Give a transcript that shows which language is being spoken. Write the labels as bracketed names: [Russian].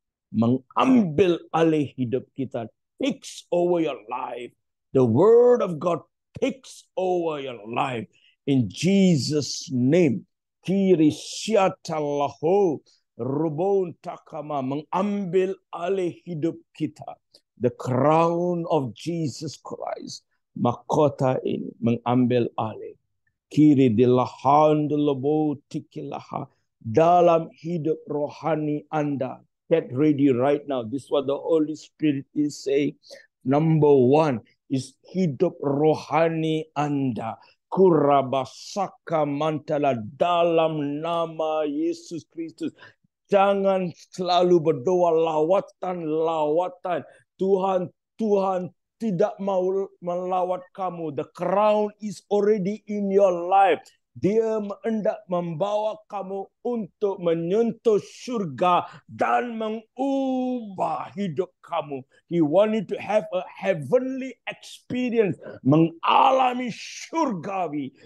[Indonesian] Mengambil alih hidup kita. [English] Takes over your life. The word of God takes over your life. In Jesus' name, kiri syatallahu rubon takama, [Indonesian] mengambil alih hidup kita. [English] The crown of Jesus Christ, [Indonesian] makota ini, mengambil alih. Kiri dilahan dilobo tikilaha, dalam hidup rohani Anda. [English] Get ready right now. This is what the Holy Spirit is saying. Number one is [Indonesian] hidup rohani Anda. Kurabasaka mantala dalam nama Yesus Kristus. Jangan selalu berdoa lawatan. Tuhan tidak mau melawat kamu. [English] The crown is already in your life. [Indonesian] Dia hendak membawa kamu untuk menyentuh syurga dan mengubah hidup kamu. [English] He want you to have a heavenly experience, [Indonesian] mengalami syurgawi.